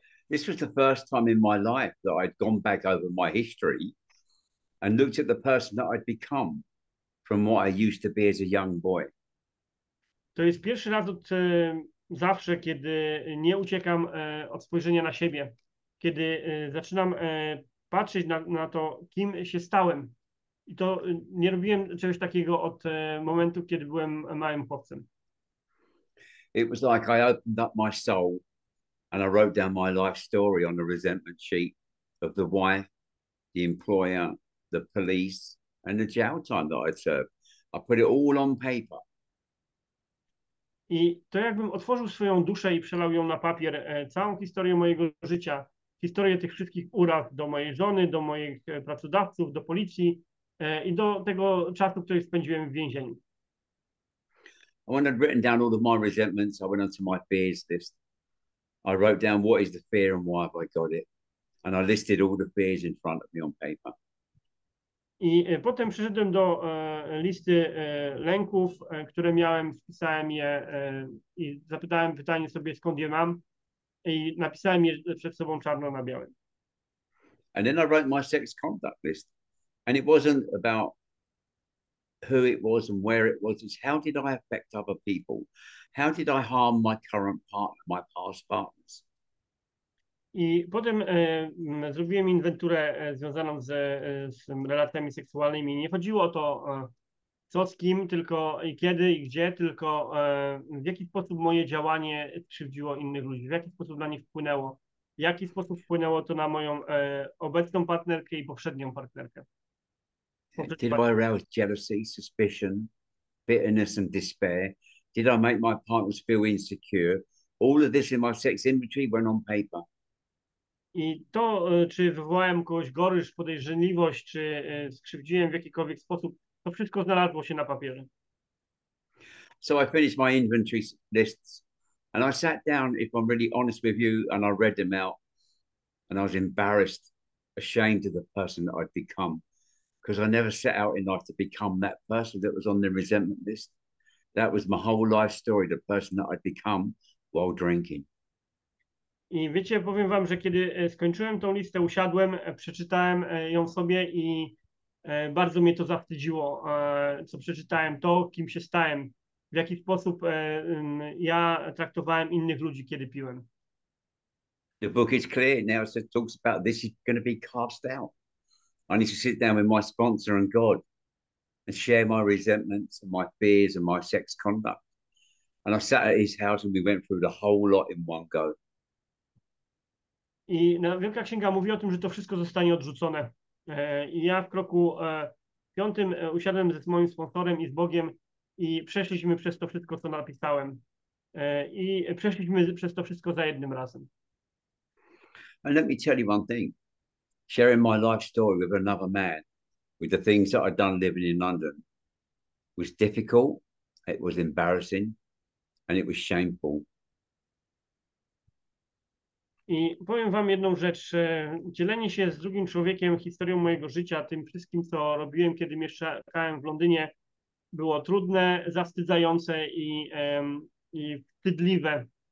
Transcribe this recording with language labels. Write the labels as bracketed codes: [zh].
[en] This was the first time in my life that I'd gone back over my history and looked at the person that I'd become from what I used to be as a young boy. [pl] To jest pierwszy raz od zawsze, kiedy nie uciekam od spojrzenia na siebie, kiedy zaczynam patrzeć na to, kim się stałem. I to nie robiłem czegoś takiego od momentu, kiedy byłem małym chłopcem. [en] It was like I opened up my soul and I wrote down my life story on a resentment sheet of the wife, the employer, the police and the jail time that I'd served. I put it all on paper. [pl] I to jakbym otworzył swoją duszę i przelał ją na papier, całą historię mojego życia, historię tych wszystkich uraz do mojej żony, do moich pracodawców, do policji i do tego czasu, który spędziłem w więzieniu. [en] When I'd written down all of my resentments, I went on to my fears list. I wrote down what is the fear and why have I got it. And I listed all the fears in front of me on paper. [pl] I potem przyszedłem do listy lęków, które miałem, wpisałem je i zapytałem pytanie sobie, skąd je mam i napisałem je przed sobą czarno na białym. [en] And then I wrote my sex conduct list. And it wasn't about who it was and where it was, it's how did I affect other people? How did I harm my current partner, my past partners? [pl] I potem zrobiłem inwenturę związaną z relacjami seksualnymi. Nie chodziło o to, co z kim, tylko i kiedy i gdzie, tylko w jaki sposób moje działanie skrzywdziło innych ludzi, w jaki sposób na nich wpłynęło, w jaki sposób wpłynęło to na moją obecną partnerkę i poprzednią partnerkę. [en] Did I arouse jealousy, suspicion, bitterness and despair? Did I make my partners feel insecure? All of this in my sex inventory went on paper. [pl] I to, czy wywołałem kogoś gorycz, podejrzliwość, czy skrzywdziłem w jakikolwiek sposób, to wszystko znalazło się na papierze. [en] So I finished my inventory lists and I sat down, if I'm really honest with you, and I read them out and I was embarrassed, ashamed of the person that I'd become. Because I never set out in life to become that person that was on the resentment list. That was my whole life story, the person that I'd become while drinking. [pl] I wiecie, powiem wam, że kiedy skończyłem tą listę, usiadłem, przeczytałem ją sobie i bardzo mnie to zawstydziło, co przeczytałem, to, kim się stałem, w jaki sposób ja traktowałem innych ludzi, kiedy piłem. [en] The book is clear now, so it talks about this is going to be cast out. I need to sit down with my sponsor and God and share my resentments and my fears and my sex conduct. And I sat at his house and we went through the whole lot in one go. [pl] I Wielka Księga mówi o tym, że to wszystko zostanie odrzucone. I ja w kroku piątym usiadłem ze moim sponsorem i z Bogiem i przeszliśmy przez to wszystko, co napisałem. I przeszliśmy przez to wszystko za jednym razem. [en] And let me tell you one thing. Sharing my life story with another man, with the things that I'd done living in London, was difficult, it was embarrassing, and it was shameful. [pl] I powiem wam jedną rzecz. Dzielenie się z drugim człowiekiem historią mojego życia, tym wszystkim, co robiłem, kiedy mieszkałem w Londynie, było trudne, zastydzające i wstydliwe.